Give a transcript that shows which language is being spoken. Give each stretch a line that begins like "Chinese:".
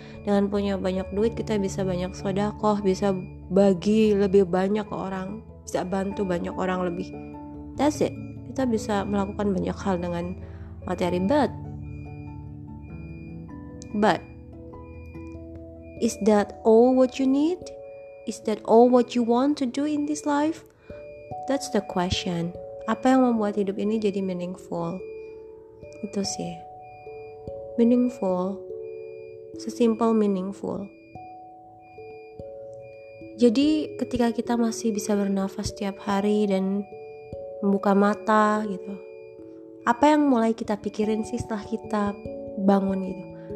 Indonesian: Dengan punya banyak duit, kita bisa banyak sedekah, bisa bagi lebih banyak ke orang, bisa bantu banyak orang lebih.
English: That's it.
Indonesian: Kita bisa melakukan banyak hal dengan materi.
English: But is that all what you need? Is that all what you want to do in this life? That's the question.
Indonesian: Apa yang membuat hidup ini jadi meaningful? Itu sih. Meaningful. Sesimpel meaningful. Jadi ketika kita masih bisa bernafas setiap hari dan membuka mata gitu, apa yang mulai kita pikirin sih setelah kita bangun gitu?